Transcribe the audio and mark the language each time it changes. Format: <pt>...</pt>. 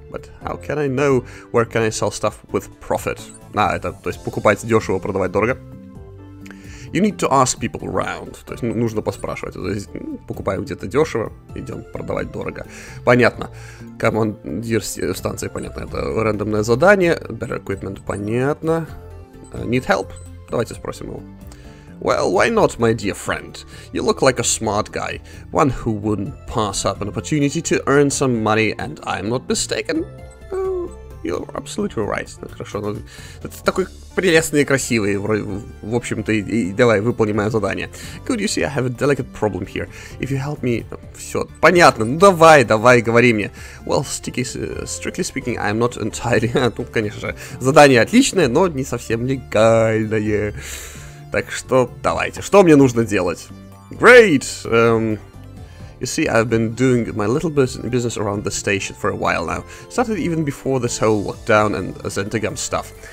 <en>But how can I know where can I sell stuff with profit?</en> <ru>А, это, то есть, покупать дешево, продавать дорого.</ru> <en>You need to ask people around.</en> <ru>То есть, нужно поспрашивать. То есть, покупаем где-то дешево, идем продавать дорого. Понятно. Командир станции, понятно. Это рандомное задание. Better equipment, понятно.</ru> <en>Need help?</en> <ru>Давайте спросим его.</ru> <en>Well, why not, my dear friend? You look like a smart guy. One who wouldn't pass up an opportunity to earn some money, and I'm not mistaken. You're absolutely right.</en> <ru>Ну, хорошо, ну, это такой прелестный и красивый, вроде, в общем-то, и давай, выполни мое задание.</ru> <en>Could you see, I have a delicate problem here. If you help me...</en> <ru>Все, понятно, ну давай, давай, говори мне.</ru> <en>Well, strictly speaking, I'm not entirely...</en> <ru>Тут, конечно же, задание отличное, но не совсем легальное. Так что, давайте, что мне нужно делать?</ru> <en>Great! You see, I've been doing my little business around the station for a while now. Started even before this whole lockdown and Zentagam stuff.</en>